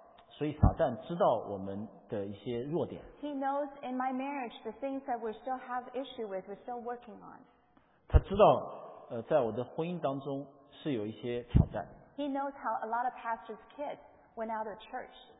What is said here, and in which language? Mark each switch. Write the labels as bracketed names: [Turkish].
[Chinese] 所以撒旦知道我们的一些弱点 [English] he knows in my marriage the things that we still have issue with we're still working on [Chinese] 他知道在我的婚姻当中是有一些挑战 [English] He knows how a lot of pastors' kids went out of church.